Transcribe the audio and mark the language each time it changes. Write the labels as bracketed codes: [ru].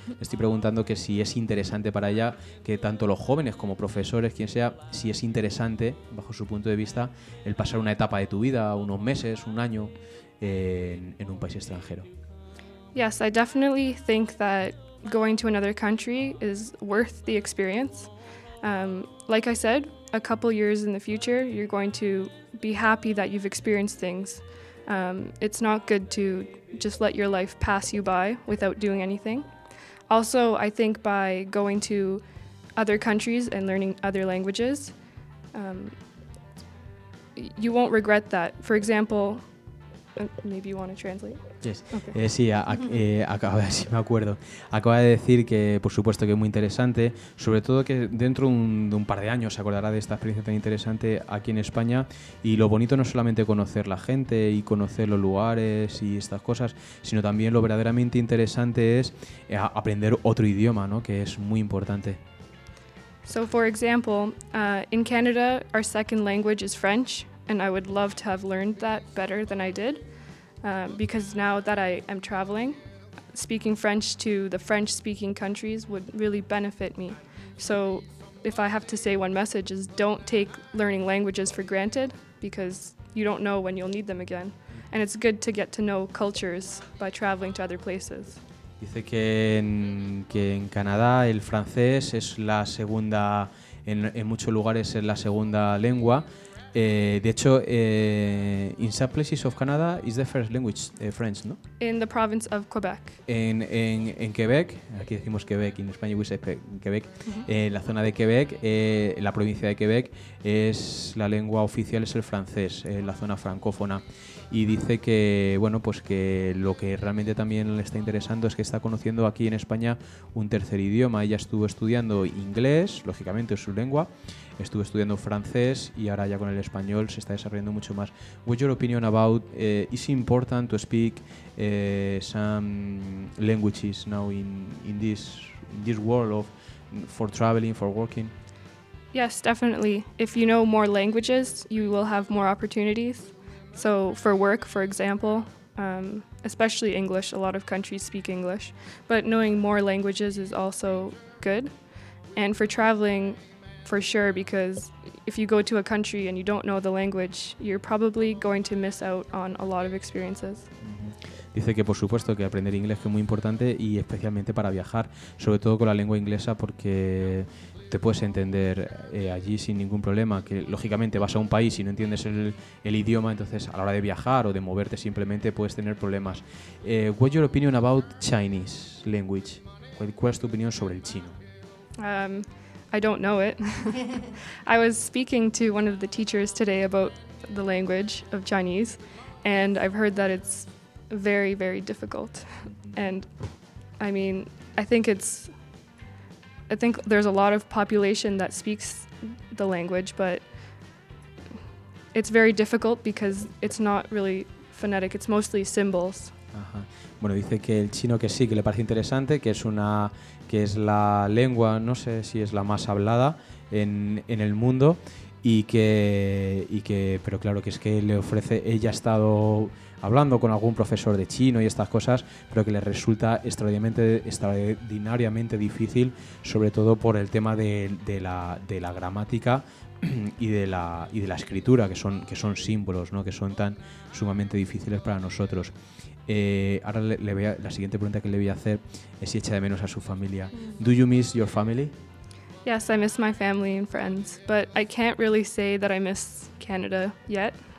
[es] Le estoy preguntando que si es interesante para ella, que tanto los jóvenes como profesores, quien sea, si es interesante, bajo su punto de vista, el pasar una etapa de tu vida, unos meses, un año, en un país extranjero. [en] Yes, I definitely think that going to another country is worth the experience. Like I said, a couple years in the future, you're going to be happy that you've experienced things. It's not good to just let your life pass you by without doing anything. Also, I think by going to other countries and learning other languages, you won't regret that. For example, maybe you want to translate. Yes. Okay. [es] Acaba de decir que, por supuesto, que es muy interesante, sobre todo que dentro de un par de años se acordará de esta experiencia tan interesante aquí en España, y lo bonito no es solamente conocer la gente y conocer los lugares y estas cosas, sino también lo verdaderamente interesante es aprender otro idioma, ¿no? Que es muy importante. [en] So, for example, in Canada, our second language is French, and I would love to have learned that better than I did. Because now that I am traveling, speaking French to the French-speaking countries would really benefit me. So if I have to say one message is don't take learning languages for granted, because you don't know when you'll need them again. And it's good to get to know cultures by traveling to other places. [es] Dice que en Canadá el francés es la segunda, en muchos lugares es la segunda lengua. De hecho, [en] in some places of Canada is the first language, French, no? In the province of Quebec. [es] En Quebec, aquí decimos Quebec, [en] in Spanish we say Quebec, [es] en la zona de Quebec, la provincia de Quebec, es la lengua oficial es el francés, la zona francófona. Y dice que, bueno, pues que lo que realmente también le está interesando es que está conociendo aquí en España un tercer idioma. Ella estuvo estudiando inglés, lógicamente es su lengua, estuve estudiando francés y ahora ya con el español se está desarrollando mucho más. [en] What's your opinion about is it important to speak some languages now in this world of for traveling, for working? Yes, definitely. If you know more languages, you will have more opportunities. So for work, for example, especially English, a lot of countries speak English. But knowing more languages is also good. And for traveling, for sure, because if you go to a country and you don't know the language, you're probably going to miss out on a lot of experiences. [es] Dice que por supuesto que aprender inglés es muy importante y especialmente para viajar, sobre todo con la lengua inglesa, porque te puedes entender allí sin ningún problema. Que lógicamente vas a un país y no entiendes el idioma, entonces a la hora de viajar o de moverte simplemente puedes tener problemas. [en] What's your opinion about Chinese language? [es] ¿Cuál es tu opinión sobre el chino? [en] I don't know it. I was speaking to one of the teachers today about the language of Chinese, and I've heard that it's very, very difficult. And I mean, I think there's a lot of population that speaks the language, but it's very difficult because it's not really phonetic, it's mostly symbols. [es] Bueno, dice que el chino que sí, que le parece interesante, que es una, que es la lengua, no sé si es la más hablada en el mundo, y que pero claro, que es que le ofrece, ella ha estado hablando con algún profesor de chino y estas cosas, pero que le resulta extraordinariamente difícil, sobre todo por el tema de la gramática y de la escritura, que son símbolos, ¿no? Que son tan sumamente difíciles para nosotros. Ahora le voy a, la siguiente pregunta que le voy a hacer es si echa de menos a su familia. [en] Do you miss your family? Yes, I miss my family and friends, but I can't really say that I miss Canada yet.